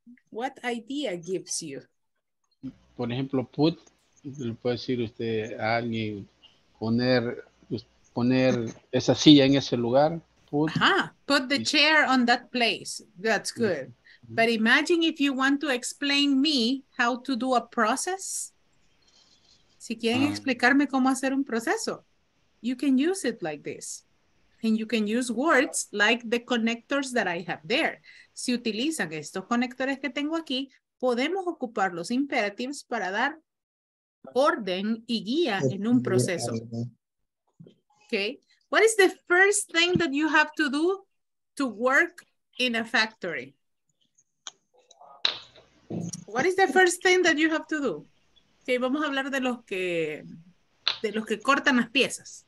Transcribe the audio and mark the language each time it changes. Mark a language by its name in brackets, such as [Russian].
[English] What idea gives you? [Spanish] Por ejemplo, put, le puede decir usted a alguien, poner esa silla en ese lugar. [English] Put, uh-huh. Put the chair on that place. That's good. Uh-huh. But imagine if you want to explain me how to do a process. [Spanish] Si quieren explicarme cómo hacer un proceso, [English] you can use it like this. And you can use words like the connectors that I have there. [Spanish] Si utilizan estos conectores que tengo aquí, podemos ocupar los imperatives para dar orden y guía en un proceso. [English] Okay. What is the first thing that you have to do to work in a factory? What is the first thing that you have to do? [Spanish] Okay, vamos a hablar de los que cortan las piezas.